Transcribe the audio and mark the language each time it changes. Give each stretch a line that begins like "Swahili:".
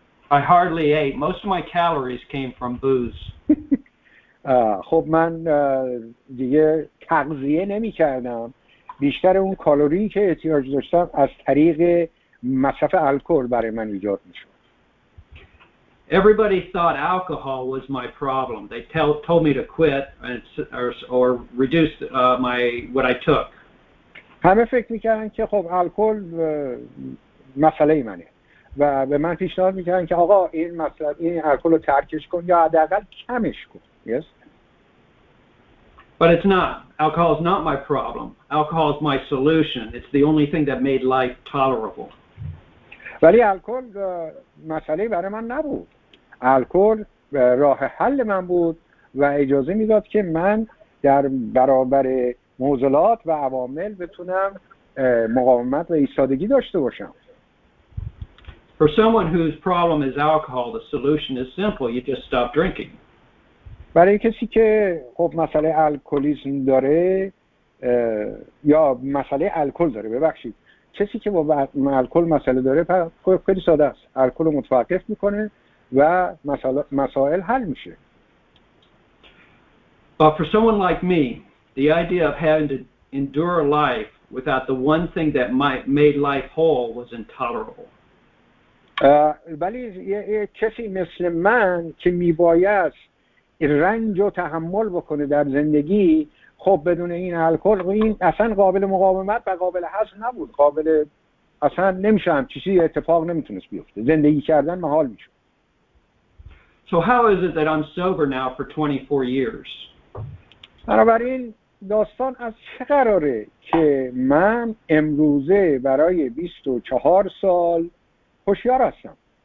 English: I hardly ate. Most of my calories came from booze.
Persian: خب من دیگه تغذیه نمی کردم. بیشتر اون کالوری که احتیاج داشتم از طریق مصرف الکل برای من ایجاد می شود.
English: Everybody thought alcohol was my problem. They told me to quit or reduce what I took.
Persian: همه فکر می کردن که خب الکل مسئله منه و و به من پیشنهاد میکردن که آقا این مثلا این الکل رو ترکش کن یا حداقل کمش کن.
English: Yes. But it's not, alcohol is not my problem. Alcohol is my solution. It's the only thing that made life tolerable.
Persian: ولی الکل مسئله برای من نبود. الکل راه حل من بود و اجازه میداد که من در برابر معضلات و عوامل بتونم مقاومت و ایستادگی داشته باشم.
English: For someone whose problem is alcohol, the solution is simple. You just stop drinking.
Persian: برای کسی که خب مسئله الکلیسم داره یا مسئله الکل داره، ببخشید، کسی که با الکل مسئله داره خیلی ساده است، الکل رو متوقف میکنه و مسائل حل میشه.
English: But for someone like me, the idea of having to endure life without the one thing that might made life whole was intolerable.
Persian: ولی کسی مثل من که میباید رنج رو تحمل بکنه در زندگی، خب بدون این الکل این اصلا قابل مقاومت و قابل هضم نبود، قابل اصلا نمیشه، هم چیزی اتفاق نمیتونست بیفته، زندگی کردن محال میشه.
English: So how is it that I'm sober now for 24 years?
Persian: بنابراین داستان از چه قراره که من امروزه برای 24 سال هوشیار هستم؟